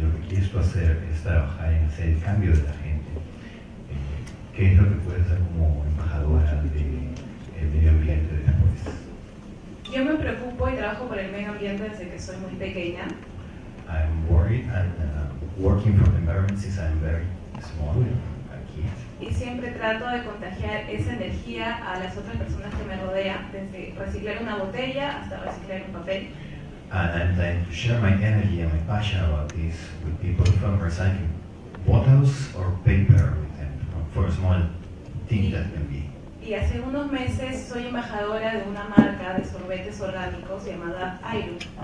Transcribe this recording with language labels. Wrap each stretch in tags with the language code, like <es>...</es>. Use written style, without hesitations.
<es>Esto hacer es trabajar en hacer el cambio de la gente. ¿Qué es lo que puedes hacer como embajadora del medio ambiente después? Yo me preocupo y trabajo por el medio ambiente desde que soy muy pequeña.</es> <en>I'm worried and working for the environment since I'm very small, a kid.</en> <es>Y siempre trato de contagiar esa energía a las otras personas que me rodean, desde reciclar una botella hasta reciclar un papel.</es> <en>And I'm trying to share my energy and my passion about this with people from recycling bottles or paper with them for a small thing that can be.</en> <es>Y hace unos meses soy embajadora de una marca de sorbetes orgánicos llamada Iru.</es>